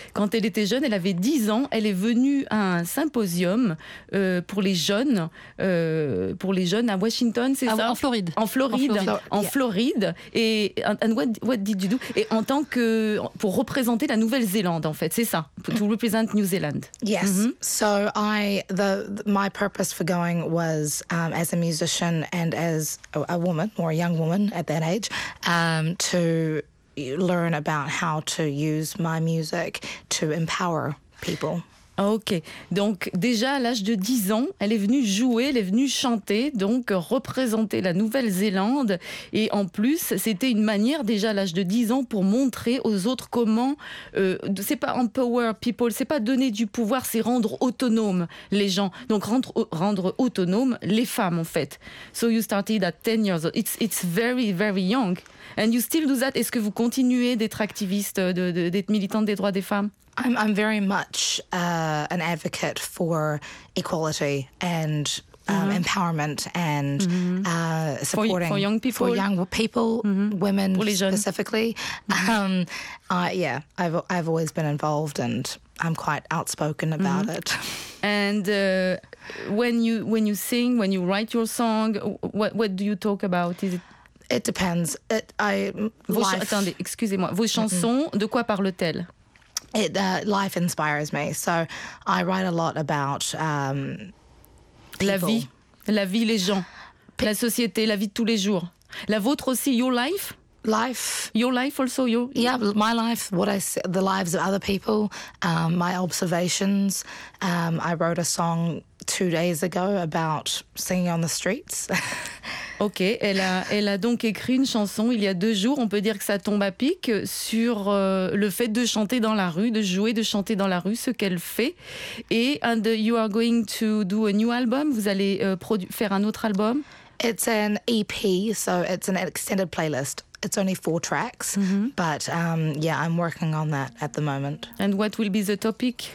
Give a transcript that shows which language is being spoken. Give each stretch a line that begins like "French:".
French: Quand elle était jeune, elle avait 10 ans, elle est venue à un symposium pour les jeunes à Washington, c'est en ça? En Floride. En Floride. En Floride. En Floride. Yeah. Et
English: what did you do?
French: Et en tant que... pour représenter la Nouvelle-Zélande, en fait, c'est ça?
English: To represent New Zealand. Yes. Mm-hmm. So I... my purpose for going was as a musician and as a woman, or a young woman at that age, to... learn about how to use my music to empower people.
French: Ok, donc déjà à l'âge de 10 ans, elle est venue jouer, elle est venue chanter, donc représenter la Nouvelle-Zélande. Et en plus, c'était une manière déjà à l'âge de 10 ans pour montrer aux autres comment, c'est pas
English: empower people,
French: c'est pas donner du pouvoir, c'est rendre autonomes les gens. Donc rendre autonomes les femmes en fait.
English: So you started at 10 years old, it's very very young. And you still do that?
French: Est-ce que vous continuez d'être activiste, d'être militante des droits des femmes?
English: I'm very much an advocate for equality and empowerment and supporting for young people, women specifically. I've always been involved and I'm quite outspoken about it. And when you sing, when you write your song, what do you talk about? Is it depends.
French: Attendez, excusez-moi. Vos chansons, de quoi parle-t-elle?
English: Life inspires me, so I write a lot about people.
French: La vie, les gens, la société, la vie de tous les jours. La vôtre aussi,
English: your life? Life. Your life also, your... Yeah, my life, the lives of other people, my observations. I wrote a song 2 days ago about singing on the streets.
French: Ok, elle a donc écrit une chanson il y a 2 jours, on peut dire que ça tombe à pic, sur le fait de chanter dans la rue, de jouer, de chanter dans la rue, ce qu'elle fait.
English: Et you are going to do a new album,
French: vous allez faire un autre album?
English: It's an EP, so it's an extended playlist. It's only 4 tracks, but I'm working on that at the moment. And what will be the topic?